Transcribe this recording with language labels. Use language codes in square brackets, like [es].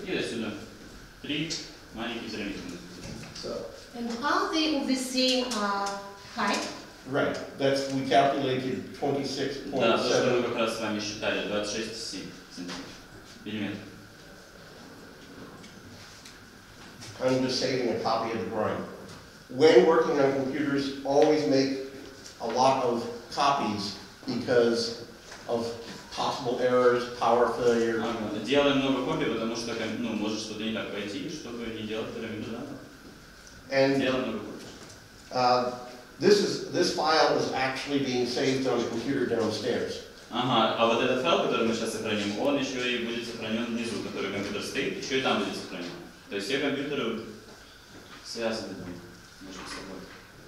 [ru] И до сюда. Три маленьких пирамиды. [en] So. And how they will be seen height? Right. That's we calculated 26.7. [ru] Да, то, что мы как раз с вами считали, 26.7 сантиметров. Миллиметр. [en] I'm just saving a copy of the drawing. When working on computers, always make a lot of copies because of possible errors, power failure. [ru] Делаем много копий, потому что ну может что-то не так пойти, чтобы не делать пирамиду данных. [en] And [ru] делаем много копий. [en] This file is actually being saved on the computer downstairs. [ru] А вот этот файл, который мы сейчас сохраним, он еще и будет сохранен внизу, который компьютер стоит, еще и там будет сохранен. То есть все компьютеры связаны между собой.